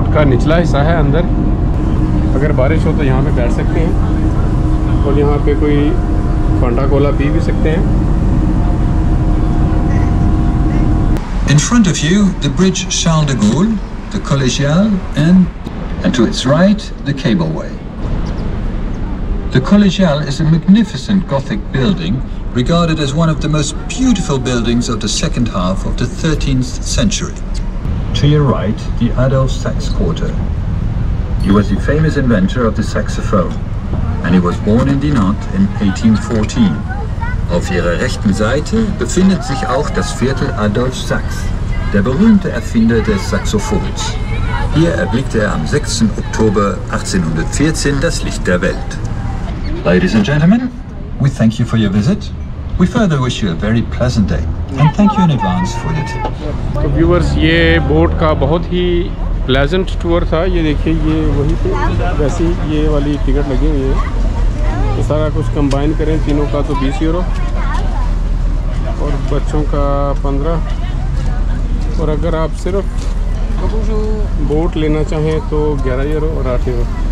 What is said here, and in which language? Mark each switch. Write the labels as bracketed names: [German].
[Hindi] निचला हिस्सा है अंदर अगर बारिश हो तो यहाँ पे बैठ सकते हैं और यहाँ पे कोई फंटा कोला पी भी सकते हैं [English] In front of you, the bridge Charles de Gaulle, the Collégiale, and to its right, the Cableway. The Collégiale is a magnificent Gothic building regarded as one of the most beautiful buildings of the second half of the 13th century. To your right, the Adolf Sax Quarter. He was the famous inventor of the saxophone, and he was born in Dinant in 1814. [German] Auf ihrer rechten Seite befindet sich auch das Viertel Adolf Sax, der berühmte Erfinder des Saxophons. Hier erblickte am 6. Oktober 1814 das Licht der Welt. [English] Ladies and gentlemen, we thank you for your visit. We further wish you a very pleasant day and thank you in advance for it. So viewers, [Hindi] ये boat का बहुत ही [English] pleasant tour [Hindi] था. ये देखिए, ये वही थे वैसी ये वाली टिकट लगी हुई है. तो सारा कुछ कंबाइन करें तीनों का तो 20 यूरो और बच्चों का 15. और अगर आप सिर्फ बोट लेना चाहें तो 11 यूरो और 8 यूरो.